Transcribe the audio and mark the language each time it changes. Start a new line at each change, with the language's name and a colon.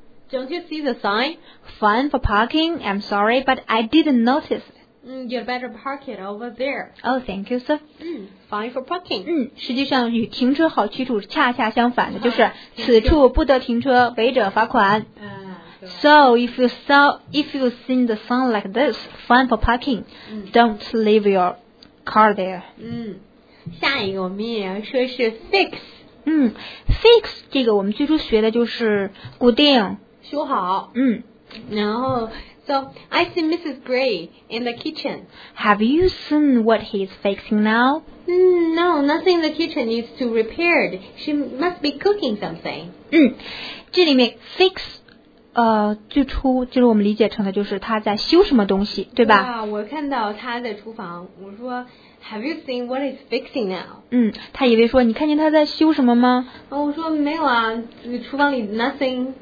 English: Don't you see the sign? Fine for parking. I'm sorry, but I didn't notice. You better park it over there. Oh, thank you, sir. Fine for parking.
Chinese: 实际上与停车好去处恰恰相反的，就是此处不得停车，违者罚款。
English: So if you see the sign like this, fine for parking, don't leave your car there.
Chinese: 下一个我们也要说是 fix. Fix 这个我们最初学的就是固定，修好。然后
English: so I see Mrs. Gray in the kitchen. Have you seen what he's fixing now? No, nothing in the kitchen needs to repaired. She must be cooking something.
Chinese: 这里面 fix. 最初就是我们理解成的就是他在修什么东西，对吧？我看到他在厨房，我说
English: Have you seen what he's fixing now？
Chinese: 他以为说你看见他在修什么吗？我说没有啊，厨房里 nothing